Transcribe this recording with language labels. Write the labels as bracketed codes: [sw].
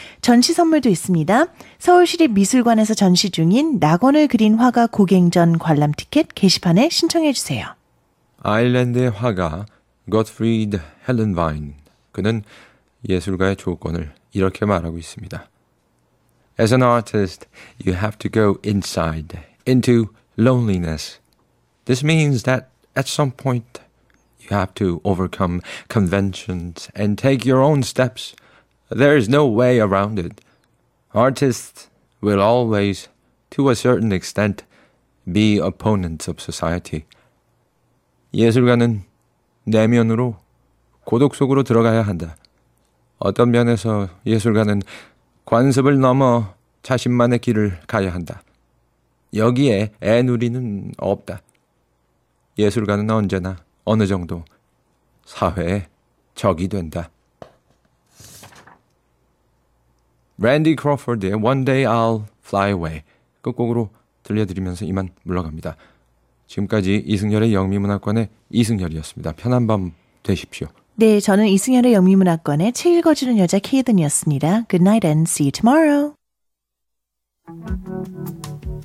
[ko] 전시 선물도 있습니다. 서울시립 미술관에서 전시 중인 낙원을 그린 화가 고갱전 관람 티켓 게시판에 신청해 주세요. 아일랜드의 화가 고트프리드 헬렌바인, 그는 예술가의 조건을 이렇게 말하고 있습니다. [en] As an artist, you have to go inside, into loneliness. This means that at some point, you have to overcome conventions and take your own steps. There is no way around it. Artists will always, to a certain extent, be opponents of society. [ko] 예술가는 내면으로, 고독 속으로 들어가야 한다. 어떤 면에서 예술가는 관습을 넘어 자신만의 길을 가야 한다. 여기에 애누리는 없다. 예술가는 언제나 어느 정도 사회의 적이 된다. Randy Crawford의 One Day I'll Fly Away 끝곡으로 들려드리면서 이만 물러갑니다. 지금까지 이승열의 영미문학관의 이승열이었습니다. 편한 밤 되십시오. 네, 저는 이승열의 영미문학관의 책 읽어주는 여자 케이든이었습니다. [en] Good night and see you tomorrow. Thank you.